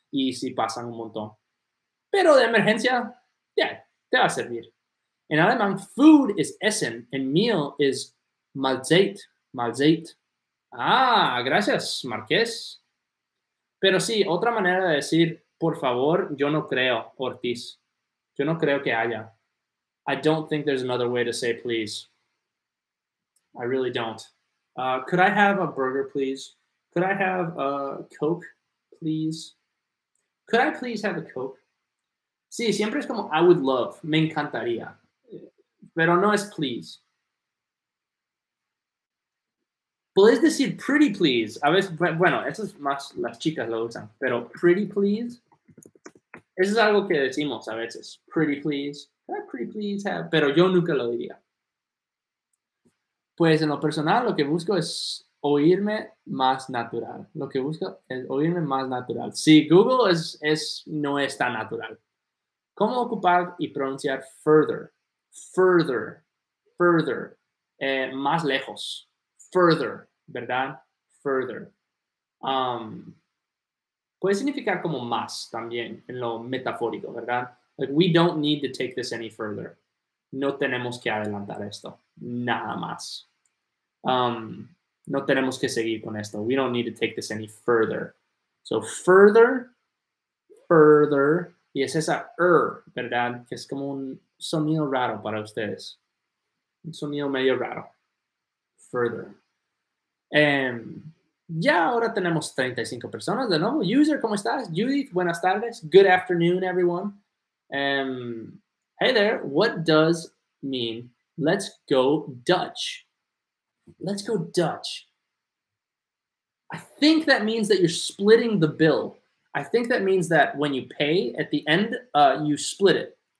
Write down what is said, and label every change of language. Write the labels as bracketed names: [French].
[Spanish] Y sí pasan un montón. Pero de emergencia, yeah, te va a servir. En alemán, [English] food is [Spanish] Essen. En mío es Mahlzeit. Mahlzeit. Ah, gracias, Marqués. Pero sí, otra manera de decir, por favor, yo no creo, Ortiz. Yo no creo que haya. [English] I don't think there's another way to say please. I really don't. Could I have a burger, please? Could I have a Coke, please? Could I please have a Coke? [Spanish] Sí, siempre es como [English] I would love, [Spanish] me encantaría. Pero no es please. Puedes decir pretty please. A veces, bueno, eso es más, las chicas lo usan. Pero pretty please, eso es algo que decimos a veces. [English] Pretty please, could I pretty please have, [Spanish] pero yo nunca lo diría. Pues en lo personal, lo que busco es oírme más natural. Lo que busco es oírme más natural. Sí, Google no es tan natural. ¿Cómo ocupar y pronunciar further? [English] Further. Further. [Spanish] Más lejos. [English] Further. ¿Verdad? Further. [Spanish] Puede significar como más también en lo metafórico, ¿verdad? [English] Like, we don't need to take this any further. [Spanish] No tenemos que adelantar esto. Nada más. No tenemos que seguir con esto. [English] We don't need to take this any further. [Spanish] So further, further, y es esa ¿verdad? Que es como un sonido raro para ustedes. Un sonido medio raro. Further. Ya ahora tenemos 35 personas de nuevo. User, ¿cómo estás? Judith, buenas tardes. [English] Good afternoon, everyone. Hey there, what does mean let's go Dutch? Let's go Dutch. I think that means that you're splitting the bill. I think that means that when you pay at the end, you split it.